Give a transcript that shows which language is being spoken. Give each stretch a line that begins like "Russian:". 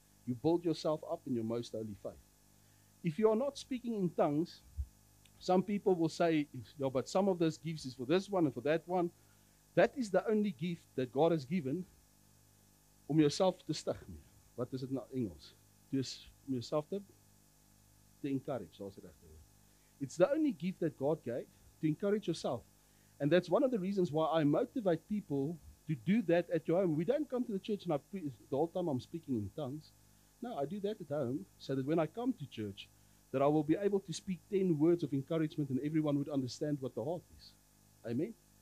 English: You build yourself up in your most holy faith. If you are not speaking in tongues, some people will say, no, but some of those gifts is for this one and for that one. That is the only gift that God has given
Afrikaans: om jouself te stig mee. Wat is dit in Engels? Dus om jouself te encourage, soos dit regte woord.
English: It's the only gift that God gave to encourage yourself. And that's one of the reasons why I motivate people to do that at your home. We don't come to the church and the whole time I'm speaking in tongues. No, I do that at home so that when I come to church, that I will be able to speak 10 words of encouragement and everyone would understand what the heart is. Amen?